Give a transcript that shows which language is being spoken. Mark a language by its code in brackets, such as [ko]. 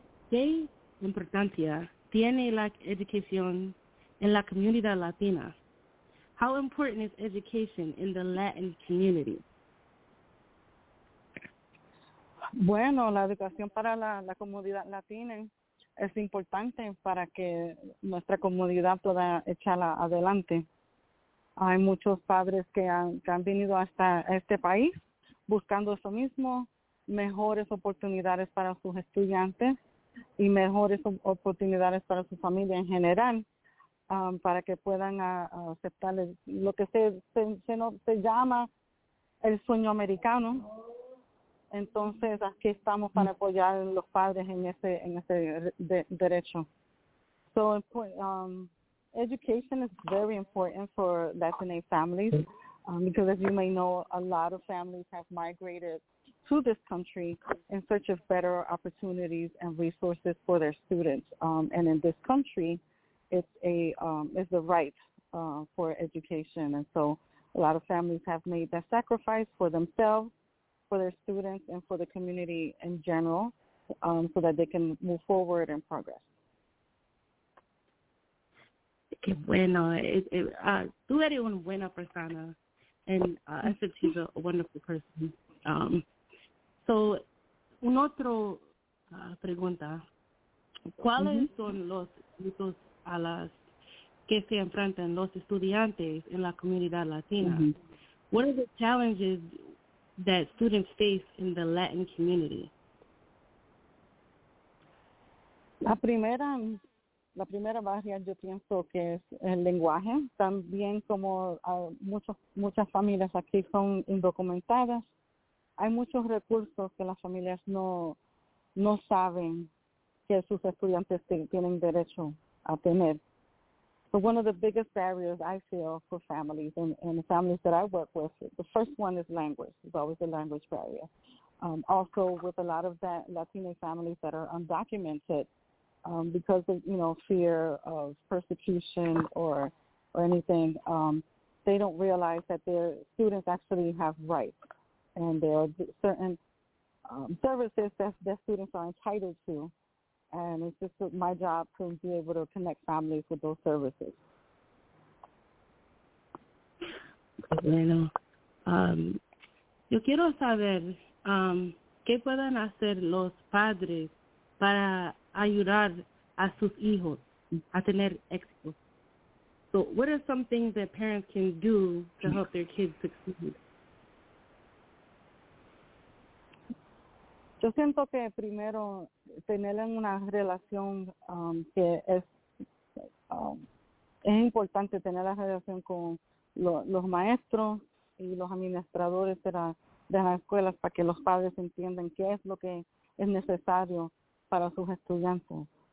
[es] ¿Qué importancia tiene la educación en la comunidad latina? [en] How important is education in the Latin community? [es] Bueno, la educación para la comunidad latina es importante para que nuestra comunidad pueda echarla adelante. Hay muchos padres que han venido hasta este país buscando eso mismo, mejores oportunidades para sus estudiantes y mejores oportunidades para su familia en general, para que puedan aceptar lo que se llama el sueño americano. Entonces, aquí estamos para apoyar a los padres en ese derecho. [en] So, education is very important for Latinx families, because as you may know, a lot of families have migrated to this country in search of better opportunities and resources for their students. And in this country, it's the right for education. And so a lot of families have made that sacrifice for themselves, for their students, and for the community in general, so that they can move forward and progress. [es] Qué bueno. Tú eres una buena persona. [en] And I said she's a wonderful person. So, [es] un otro pregunta. ¿Cuáles [en] mm-hmm. [es] son los retos a las que se enfrentan los estudiantes en la comunidad latina? Mm-hmm. [en] What are the challenges that students face in the Latin community? [es] La primera barrera, yo pienso que es el lenguaje. También como muchas familias aquí son indocumentadas, hay muchos recursos que las familias no saben que sus estudiantes tienen derecho a tener. [en] But one of the biggest barriers I feel for families and the families that I work with, the first one is language. It's always a language barrier. Also, with a lot of that Latino families that are undocumented, because of, you know, fear of persecution or anything, they don't realize that their students actually have rights. And there are certain services that students are entitled to. And it's just my job to be able to connect families with those services. [es] Bueno, yo quiero saber qué pueden hacer los padres para ayudar a sus hijos a tener éxito. [en] So what are some things that parents can do to help their kids succeed? [es] Yo siento que primero tener una relación que es importante tener la relación con los maestros y los administradores de las escuelas para que los padres entiendan qué es lo que es necesario para sus estudiantes.